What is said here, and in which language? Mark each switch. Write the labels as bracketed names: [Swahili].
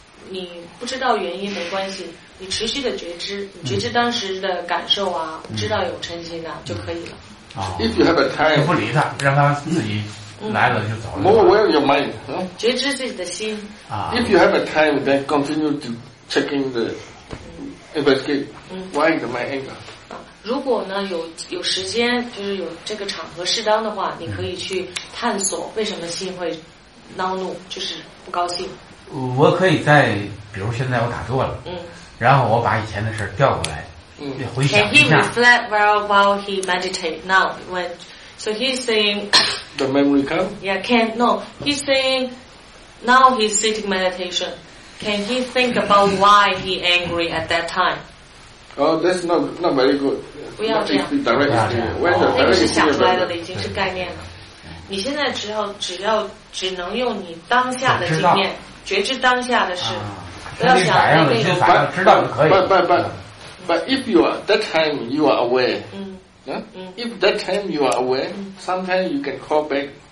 [Chinese] 你不知道原因没关系，你持续的觉知，你觉知当时的感受啊，知道有嗔心啊就可以了。 [English] If you have a time, [Chinese] 不理他，让他自己来了就走了。 [English] More aware of your mind, [Chinese] 觉知自己的心。 [English] If you have a time, then continue to checking the investigate why is my anger. [Chinese] 如果呢有时间，就是有这个场合适当的话，你可以去探索为什么心会恼怒，就是不高兴。我可以在，比如现在我打坐了，嗯，然后我把以前的事调过来，嗯，回想一下。 [English] Can he reflect while he meditate now when? So he's saying. The memory come. Yeah, can no. He's saying now he's sitting meditation. Can he think about why he angry at that time? Oh, that's not very good. [Chinese] 不要这样。那个是想出来的，已经是概念了。你现在只要只能用你当下的经验，觉知当下的事，不要想那个。知道可以。 [English] But if you are that time you are aware, if that time you are aware, sometimes you can call back.